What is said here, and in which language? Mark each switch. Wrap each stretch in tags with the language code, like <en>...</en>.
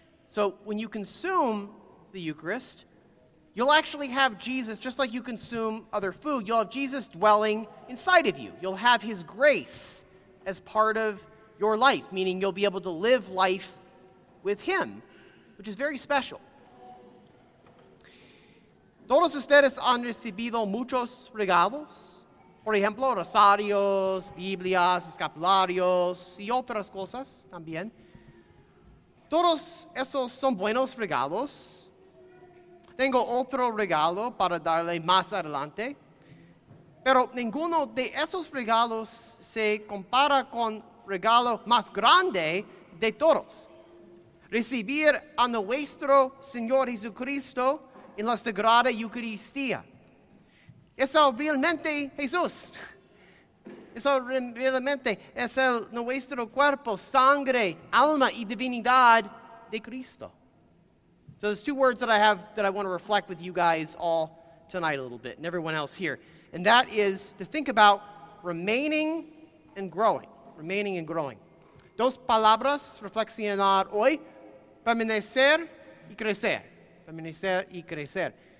<en>So when you consume the Eucharist, you'll actually have Jesus, just like you consume other food, you'll have Jesus dwelling inside of you. You'll have his grace as part of your life, meaning you'll be able to live life with him, which is very special.</en> <es>Todos ustedes han recibido muchos regalos, por ejemplo, rosarios, Biblias, escapularios y otras cosas también. Todos esos son buenos regalos. Tengo otro regalo para darle más adelante. Pero ninguno de esos regalos se compara con regalo más grande de todos. Recibir a nuestro Señor Jesucristo en la Sagrada Eucaristía. Es realmente Jesús. Es realmente es el nuestro cuerpo, sangre, alma y divinidad de Cristo.</es> <en>So there's two words that I have that I want to reflect with you guys all tonight a little bit and everyone else here. And that is to think about remaining and growing. Remaining and growing.</en> <es>Dos palabras reflexionar hoy. Permanecer y crecer. Permanecer y crecer.</es>